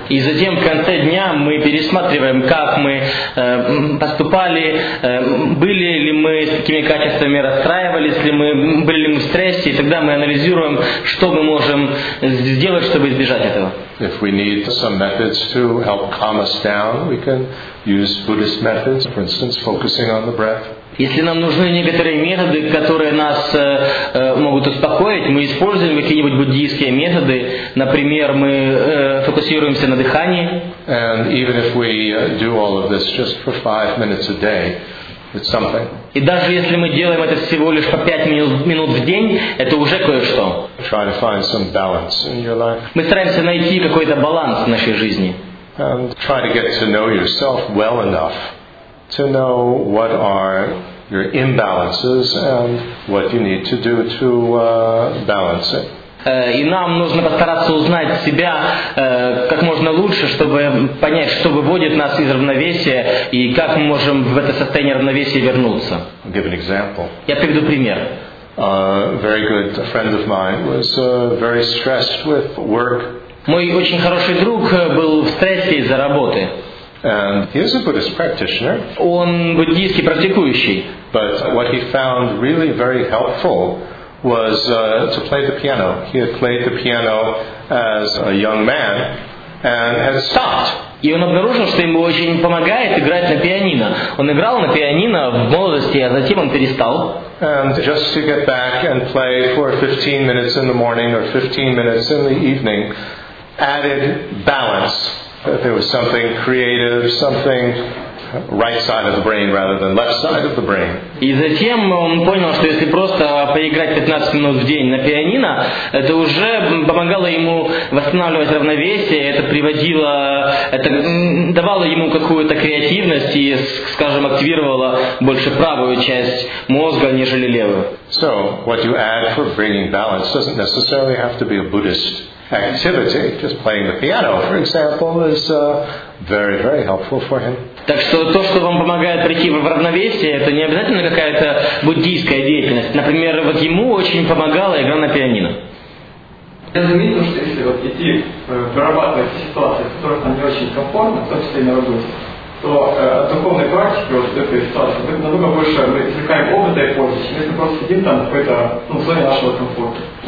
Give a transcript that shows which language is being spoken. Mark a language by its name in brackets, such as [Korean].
[Russian] И затем в конце дня мы пересматриваем, как мы поступали, были ли мы с такими качествами, расстраивались ли мы, были ли мы в стрессе, и тогда мы анализируем, что мы можем сделать, чтобы избежать этого. [English] If we need some methods to help calm us down, we can use Buddhist methods, for instance, focusing on the breath. [Russian] Если нам нужны некоторые методы, которые нас могут успокоить, мы используем какие-нибудь буддийские методы. Например, мы фокусируемся на дыхании. [English] And even if we do all of this just for 5 minutes a day, it's something. [Russian] И даже если мы делаем это всего лишь по 5 минут в день, это уже кое-что. [English] Try to find some balance in your life. [Russian] Мы стараемся найти какой-то баланс в нашей жизни. [English] And try to get to know yourself well enough to know what are your imbalances and what you need to do to balance it. [Russian] И нам нужно постараться узнать себя как можно лучше, чтобы понять, что выводит нас из равновесия и как мы можем в это состояние равновесия вернуться. [English] I'll give an example. [Russian] Я приведу пример. [English] A very good friend of mine was very stressed with work. [Russian] Мой очень хороший друг был в стрессе из-за работы. [English] And he is a Buddhist practitioner. [Russian] Он буддийский практикующий. [English] But what he found really very helpful was to play the piano. He had played the piano as a young man and had stopped. [Russian] И он обнаружил, что ему очень помогает играть на пианино. Он играл на пианино в молодости, а затем он перестал. [English] And just to get back and play for 15 minutes in the morning or 15 minutes in the evening added balance. That there was something creative, something right side of the brain rather than left side of the brain. [Russian] И затем он понял, что если просто поиграть 15 минут в день на пианино, это уже помогало ему восстанавливать равновесие, это приводило, это давало ему какую-то креативность и, скажем, активировало больше правую часть мозга, нежели левую. [English] So, what you add for bringing balance doesn't necessarily have to be a Buddhist activity, just playing the piano, for example, is very, very helpful for him. [Russian] Так что то, что вам помогает прийти в равновесие, это не обязательно какая-то буддийская деятельность. Например, вот ему очень помогала игра на пианино. Я заметил, что если вот идти прорабатывать ситуации, в которых не очень комфортно, в том числе на работе, то от духовной практики вот этой ситуации намного больше мы извлекаем опыта и пользы, чем если просто сидим там в какой-то зоне нашего комфорта.